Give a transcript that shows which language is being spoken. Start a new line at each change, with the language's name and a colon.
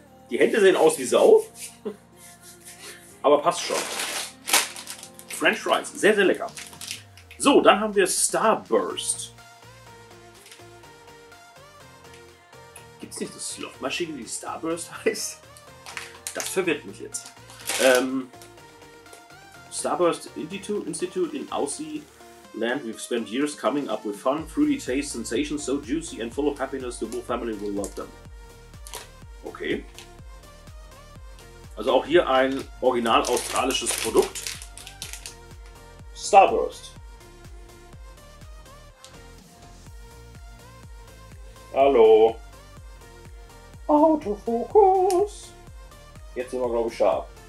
German: Die Hände sehen aus wie Sau, aber passt schon. French Fries, sehr, sehr lecker. So, dann haben wir Starburst. Gibt es nicht eine Slotmaschine, die Starburst heißt? Das verwirrt mich jetzt.
English: Starburst Institute in Aussie Land, we've spent years coming up with fun, fruity taste, sensations so juicy and full of happiness, the whole family will love them.
German: Okay. Also auch hier ein original australisches Produkt. Starburst. Hallo. Autofokus. Jetzt sind wir, glaube ich, scharf.